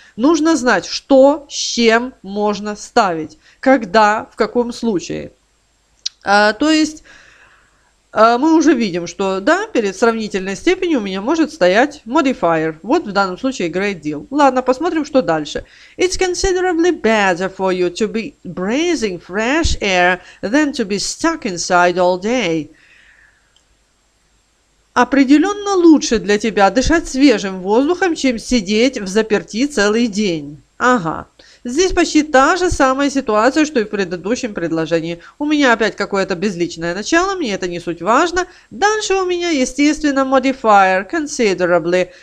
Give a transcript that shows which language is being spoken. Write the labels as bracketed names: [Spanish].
[Russian] Нужно знать, что с чем можно ставить. Когда, в каком случае. То есть... мы уже видим, что да, перед сравнительной степенью у меня может стоять modifier. Вот в данном случае great deal. Ладно, посмотрим, что дальше. [English] It's considerably better for you to be breathing fresh air than to be stuck inside all day. [Russian] Определенно лучше для тебя дышать свежим воздухом, чем сидеть в заперти целый день. Ага. Здесь почти та же самая ситуация, что и в предыдущем предложении. У меня опять какое-то безличное начало, мне это не суть важно. Дальше у меня, естественно, modifier considerably.